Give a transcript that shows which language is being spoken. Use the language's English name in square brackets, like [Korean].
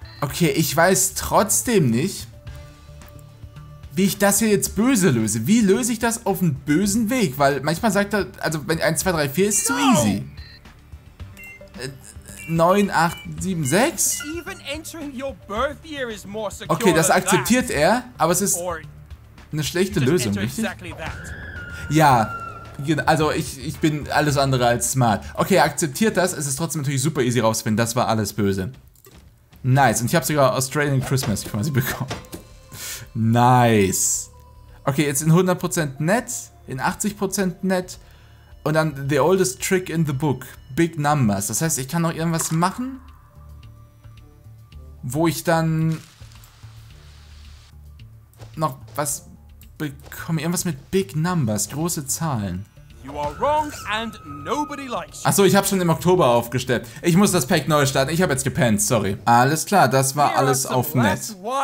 [German] Okay, ich weiß trotzdem nicht, wie ich das hier jetzt böse löse. Wie löse ich das auf einen bösen Weg? Weil manchmal sagt er, also wenn 1, 2, 3, 4 ist zu easy. 9, 8, 7, 6? [English] Even entering your birth year is more secure. [German] Okay, das akzeptiert er, aber es ist eine schlechte Lösung, richtig? [English] Exactly that. [German] Ja, also ich bin alles andere als smart. Okay, er akzeptiert das, es ist trotzdem natürlich super easy rauszufinden, das war alles böse. Nice, und ich habe sogar Australian Christmas quasi bekommen. Nice. Okay, jetzt in 100% nett, in 80% nett und dann [English] the oldest trick in the book, big numbers. [German] Das heißt, ich kann noch irgendwas machen, wo ich dann noch was bekomme, irgendwas mit big numbers, große Zahlen. [English] You are wrong and nobody likes you. [German] Achso, ich habe schon im Oktober aufgestellt. Ich muss das Pack neu starten. Ich habe jetzt gepennt, sorry. Alles klar, das war alles auf nett.